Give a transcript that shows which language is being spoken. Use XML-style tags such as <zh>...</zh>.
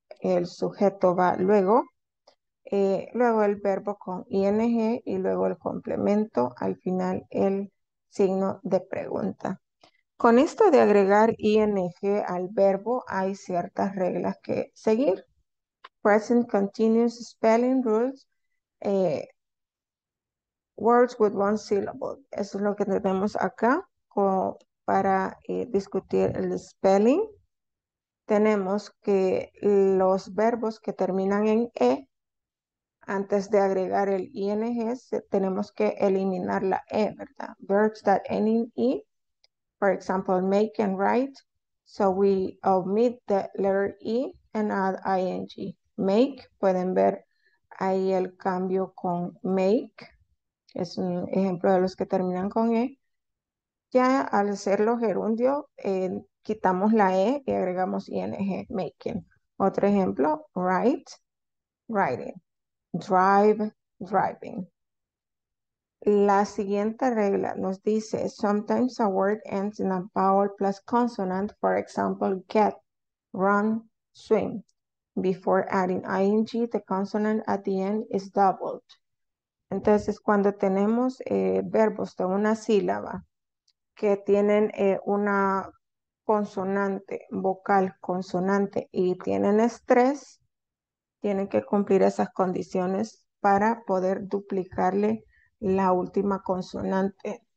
<es>El sujeto va luego, luego el verbo con ing y luego el complemento. Al final el signo de pregunta. Con esto de agregar ing al verbo hay ciertas reglas que seguir.</es> <en>Present continuous spelling rules, words with one syllable.</en> <es>Eso es lo que tenemos acá para discutir el spelling. Tenemos que los verbos que terminan en e, antes de agregar el ing, tenemos que eliminar la e, ¿verdad?</es> <en>Verbs that end in e, for example, make and write. So we omit the letter e and add ing.</en> <es>Make, pueden ver ahí el cambio con make. Es un ejemplo de los que terminan con e. Ya al hacerlo gerundio, quitamos la e y agregamos ing, making. Otro ejemplo, write, writing. Drive, driving.</es> <en>La siguiente regla nos dice, sometimes a word ends in a vowel plus consonant, for example, get, run, swim. Before adding ing, the consonant at the end is doubled.</en> <es>Entonces, cuando tenemos verbos de una sílaba que tienen una consonante, vocal consonante, y tienen estrés, tienen que cumplir esas condiciones para poder duplicarle la última consonante.</es>